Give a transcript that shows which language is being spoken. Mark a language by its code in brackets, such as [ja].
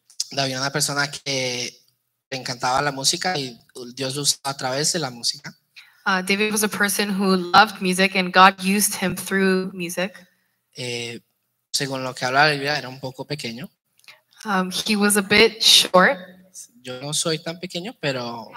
[es] David era una persona que le encantaba la música y Dios lo usaba a través de la música. [en] David was a person who loved music and God used him through music. [es] Según lo que habla la Biblia, era un poco pequeño. [en] He was a bit short. [es] Yo no soy tan pequeño, pero...